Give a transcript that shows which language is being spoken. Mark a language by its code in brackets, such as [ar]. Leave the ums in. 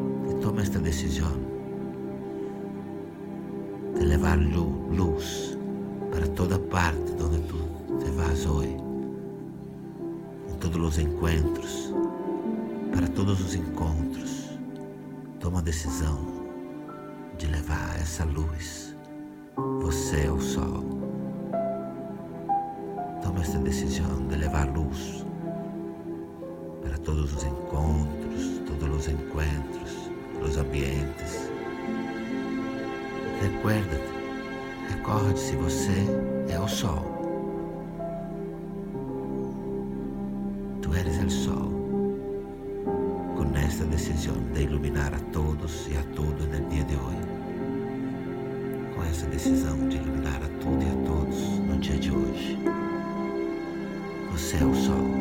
[pt] E toma esta decisão de levar lu- luz para toda parte onde tu te vas hoje, em todos os encontros, para todos os encontros. Toma a decisão de levar essa luz. Você é o sol. [es] esta decisión de levar luz para todos los encontros, todos los encuentros, los ambientes. Recuérdate, [pt] recorde se você é o sol. [es] Tu eres el sol. Con esta decisión de iluminar a todos y a todo en el día de hoy. [pt] com essa decisão de iluminar a tudo e a todos no dia de hoje. Você é o sol.